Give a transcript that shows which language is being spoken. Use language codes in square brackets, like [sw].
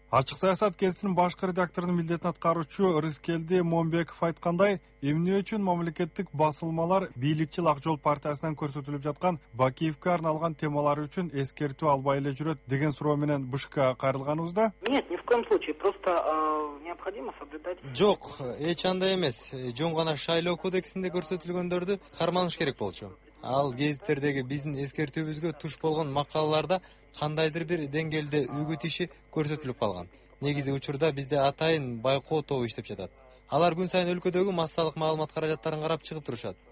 [ky] Ачык саясат гезитинин башкы редакторунун милдетин аткаруучу Рыскелди Момбеков айткандай, эмне үчүн мамлекеттик басылмалар бийликчил Ак жол партиясынан көрсөтүлүп жаткан Бакиевке арналган темалар үчүн эскертүү албай эле жүрөт деген суроо менен БШКга кайрылганыбызда? [ru] Нет, ни в коем случае. Просто необходимо соблюдать. [ky] Жок, эч андай эмес. Жөн гана шайлоо кодексинде көрсөтүлгөндөрдү карманыш керек болчу. Ал гезиттердеги биздин эскертүүбүзгө туш болгон макалаларда кандайдыр бир деңгээлде үгүт иши көрсөтүлүп калган. Негизи учурда бизде атайын байкоо тобу иштеп жатат. Алар күн сайын өлкөдөгү массалык маалымат каражаттарын карап чыгып турушат.